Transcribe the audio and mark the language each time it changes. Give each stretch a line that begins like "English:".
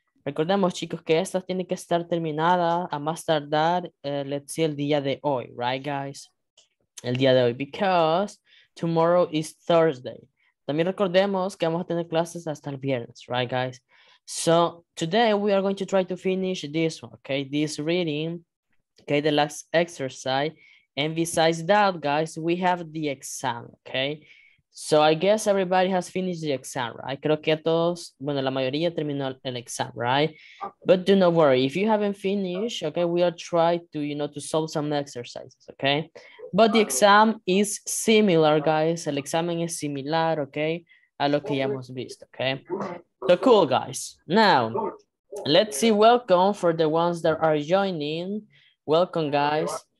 Spanish: Recordemos, chicos, que esta tiene que estar terminada a más tardar,
English: let's see,
Spanish: el día de hoy,
English: right, guys?
Spanish: El día de hoy,
English: because tomorrow is Thursday.
Spanish: También recordemos que vamos a tener clases hasta el viernes,
English: right, guys? So, today we are going to try to finish this one, okay? This reading, okay, the last exercise. And besides that, guys, we have the exam, okay? So, I guess everybody has finished the exam, right?
Spanish: Creo que todos, bueno, la mayoría terminó el
English: exam, right? But do not worry. If you haven't finished, okay, we are trying to, you know, to solve some exercises, okay? But the exam is similar, guys.
Spanish: El examen es similar, okay, a lo que ya hemos visto, okay?
English: So cool, guys. Now, let's see, welcome for the ones that are joining. Welcome, guys.